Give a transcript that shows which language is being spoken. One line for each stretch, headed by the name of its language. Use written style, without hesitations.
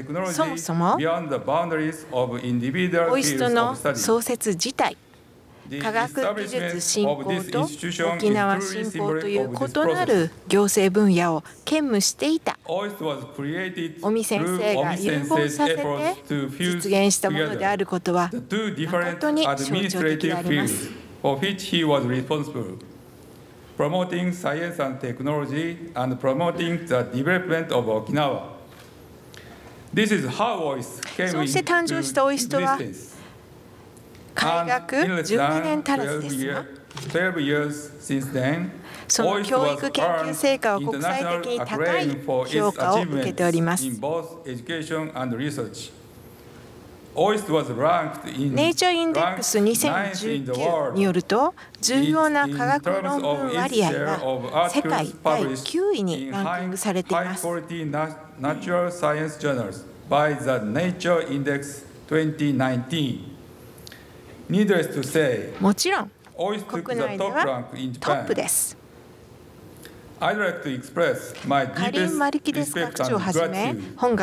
Japanese: そもそも OIST の創設自体、科学技術振興と沖縄振興という異なる行政分野を兼務していた尾身先生が融合させて実現したものであることは本当に象徴的であります。
English: For which he was responsible, promoting science and technology and promoting the development of Okinawa. This is how OIST came into existence.
Japanese: 開学12年足らずですが、
English: 12 years since then,
Japanese: その教育研究成果は国際的に高い評価を受けております。
English: in both education and research. OIST was ranked in
Japanese: Nature Index 2019によると、重要な科学論文割合が世界第9位にランキングされています。
English: High quality natural science journals by the Nature Index 2019. Needless to say,
Japanese: もちろん国内ではトップです。
English: I'd like to express my deepest respect and gratitude